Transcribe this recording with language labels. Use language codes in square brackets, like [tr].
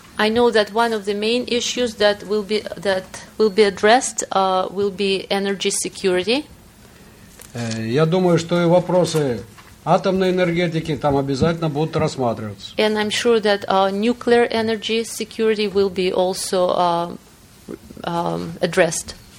[en] I know that one of the main issues that will be addressed will be energy security. [ru] Я думаю, что и вопросы атомной энергетики там обязательно будут рассматриваться. [en] And I'm sure that nuclear energy security will be also addressed.